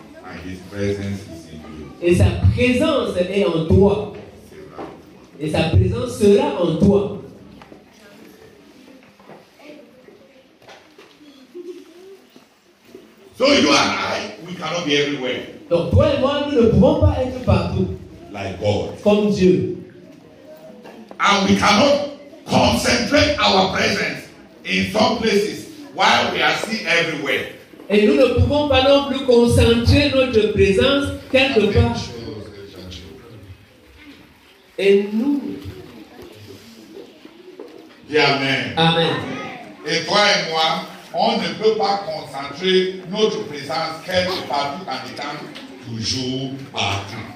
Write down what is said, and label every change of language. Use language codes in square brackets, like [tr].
[en] And his presence is in you. [fr] Et sa présence est en toi. Et sa présence sera en toi. [en] So you and I, we cannot be everywhere. [fr] Donc toi et moi, nous ne pouvons pas être partout. [en] Like God. [fr] Comme Dieu. [en] And we cannot concentrate our presence in some places while we are still everywhere. [fr] Et nous ne pouvons pas non plus concentrer notre présence quelque part. Et nous. Dis amen. Amen. Et toi et moi, on ne peut pas concentrer notre présence quelque part en étant toujours partout.